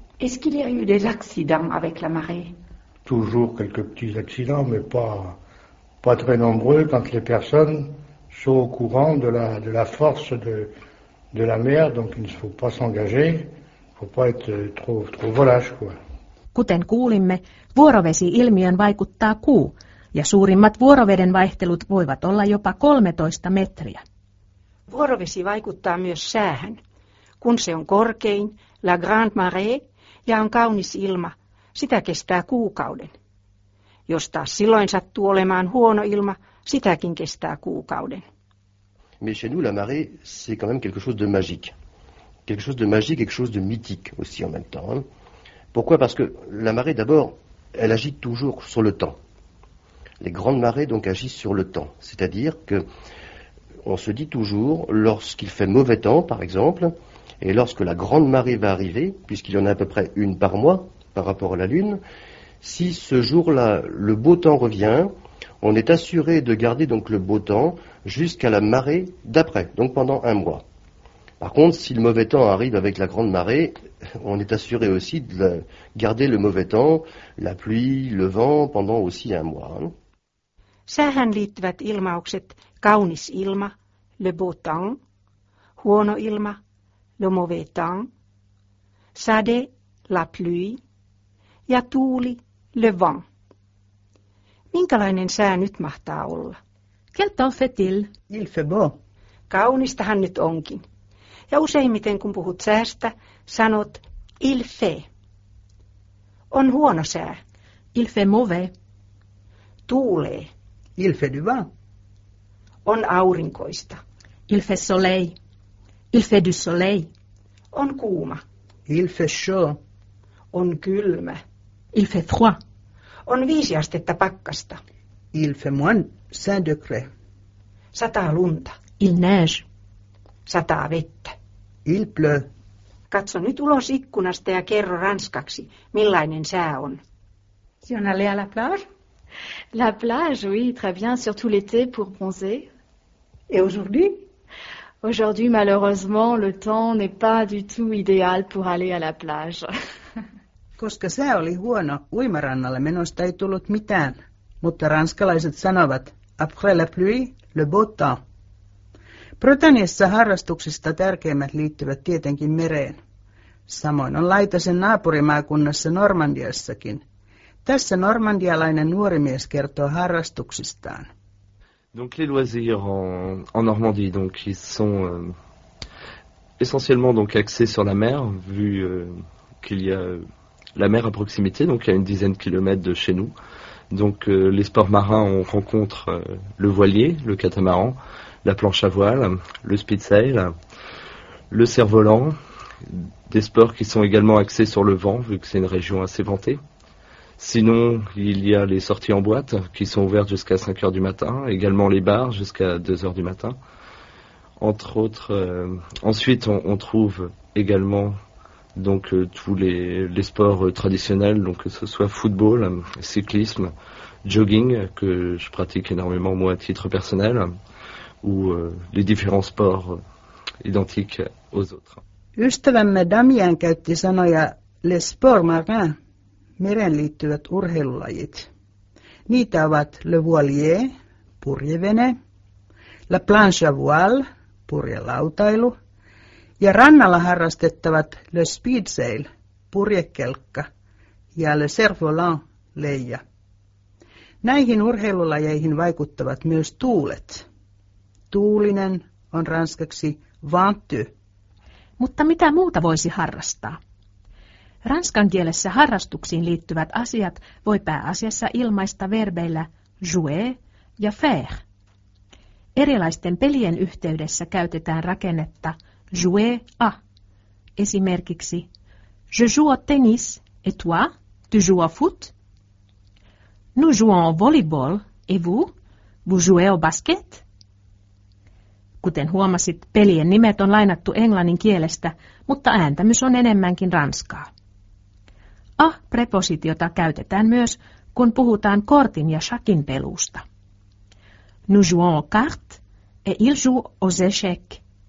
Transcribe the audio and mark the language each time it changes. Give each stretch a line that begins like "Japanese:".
French: Est-ce qu'il y a eu des accidents avec la marée? Toujours quelques petits accidents, mais pas très nombreux quand les personnes sont au courant de la force de la mer, donc il ne faut pas s'engager, il ne faut pas être trop volage, quoi.
Finnish: Kuten kuulimme, vuorovesi-ilmiön vaikuttaa kuu, ja suurimmat vuoroveden vaihtelut voivat olla jopa 13 metriä. Vuorovesi vaikuttaa myös säähän. Kun se on korkein,
French: la grande marée,
Finnish: ja on kaunis ilma, sitä kestää kuukauden. Jos taas silloin sattuu olemaan huono ilma, sitäkin kestää kuukauden.
French: Mais chez nous la marée, c'est quand même quelque chose de magique. Quelque chose de magique, quelque chose de mythique aussi en même temps. Pourquoi? Parce que la marée, d'abord, elle agit toujours sur le temps. Les grandes marées, donc, agissent sur le temps. C'est-à-dire que on se dit toujours, lorsqu'il fait mauvais temps, par exemple, et lorsque la grande marée va arriver, puisqu'il y en a à peu près une par mois par rapport à la Lune, si ce jour-là, le beau temps revient, on est assuré de garder donc le beau temps jusqu'à la marée d'après, donc pendant un mois. Par contre, si le mauvais temps arrive avec la grande marée, on est assuré aussi de garder le mauvais temps, la pluie, le vent, pendant aussi un mois.
Finnish: Säähän liittyvät ilmaukset kaunis ilma,
French: le beau temps,
Finnish: huono ilma,
French: le mauvais temps,
Finnish: sade,
French: la pluie,
Finnish: ja tuuli,
French: le vent.
Finnish: Minkälainen sää nyt mahtaa olla?
French: Quel temps fait-il? Il fait beau.
Finnish: Kaunistahan nyt onkin. Ja useimmiten, kun puhut säästä, sanot
French: il fait.
Finnish: On huono sää.
French: Il fait mauvais.
Finnish: Tuulee.
French: Il fait du vent.
Finnish: On aurinkoista.
French: Il fait soleil. Il fait du soleil.
Finnish: On kuuma.
French: Il fait chaud.
Finnish: On kylmä.
French: Il fait froid.
Finnish: On 5 astetta pakkasta.
French: Il fait moins 5 degrés.
Finnish: Sataa lunta.
French: Il neige.
Finnish: Sataa vettä.
French: Il pleut.
Finnish: Katso nyt ulos ikkunasta ja kerro ranskaksi, millainen sää on.
French: Si on allé à la plage? La plage, oui, très bien, surtout l'été pour bronzer. Et aujourd'hui? Aujourd'hui, malheureusement, le temps n'est pas du tout idéal pour aller à la plage.
Finnish: Koska sää oli huono, uimarannalle menosta ei tullut mitään, mutta ranskalaiset sanovat,
French: après la pluie, le beau temps.
Finnish: Britanniassa harrastuksista tärkeimmät liittyvät tietenkin mereen. Samoin on laita sen naapurimaakunnassa Normandiassakin. Tässä normandialainen nuori mies kertoo harrastuksistaan.
French: Donc les loisirs en Normandie donc ils sont essentiellement donc axés sur la mer vu qu'il y a la mer à proximité donc à une dizaine de kilomètres de chez nous. Donc les sports marins on rencontre le voilier, le catamaran, la planche à voile, le spitzail, le cerf-volant, des sports qui sont également axés sur le vent vu que c'est une région assez ventée. Sinon, il y a les sorties en boîte qui sont ouvertes jusqu'à 5h du matin, également les bars jusqu'à 2h du matin. Entre autres, ensuite on trouve également donc tous les sports traditionnels, donc que ce soit football, cyclisme, jogging que je pratique énormément moi à titre personnel ou les différents sports identiques aux autres.
Finnish: Ystävämme Damien käytti sanoja
French: les sports marins.
Finnish: Meren liittyvät urheilulajit. Niitä ovat
French: le voilier,
Finnish: purjevene,
French: la planche à voile,
Finnish: purjelautailu, ja rannalla harrastettavat
French: le spitzail,
Finnish: purjekelkka, ja
French: le cerf-volant,
Finnish: leija. Näihin urheilulajeihin vaikuttavat myös tuulet. Tuulinen on ranskaksi venti. Mutta mitä muuta voisi harrastaa? Ranskan kielessä harrastuksiin liittyvät asiat voi pääasiassa ilmaista verbeillä jouer ja faire. Erilaisten pelien yhteydessä käytetään rakennetta jouer à. Esimerkiksi
French: je joue au tennis et toi tu joues au foot. Nous jouons au volleyball et vous, vous jouez au basket.
Finnish: Kuten huomasit, pelien nimet on lainattu englannin kielestä, mutta ääntämys on enemmänkin ranskaa. A-prepositiota käytetään myös, kun puhutaan kortin ja shakin pelusta.
French: Nous jouons aux cartes et il joue aux échecs.